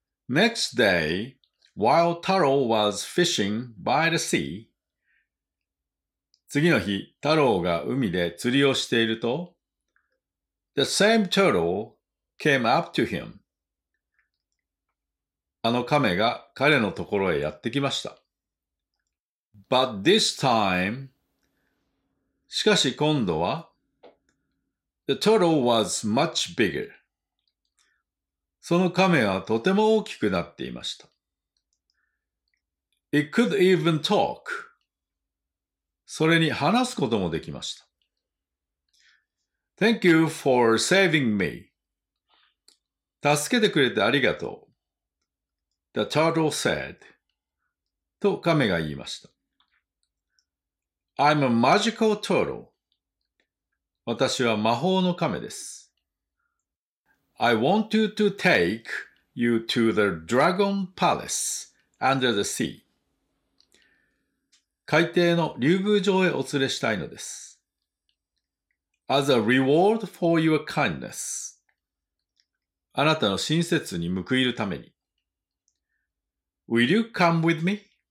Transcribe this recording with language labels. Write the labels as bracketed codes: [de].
[en] Next day, while Taro was fishing by the sea, [ja] 次の日、太郎が海で釣りをしていると、 [en] The same turtle came up to him. [ja] あの亀が彼のところへやってきました。 [en] But this time, [ja] しかし今度は、 [en] The turtle was much bigger. [ja] その亀はとても大きくなっていました。 [en] It could even talk. [ja] それに話すこともできました。 [en] Thank you for saving me. [ja] 助けてくれてありがとう。 [en] The turtle said. [ja] と亀が言いました。 [en] I'm a magical turtle. [ja] 私は魔法の亀です。 [en] I want you to take you to the dragon palace under the sea. [ja] 海底の竜宮城へお連れしたいのです。 [en] As a reward for your kindness. [ja] あなたの親切に報いるために。 [en] Will you come with me?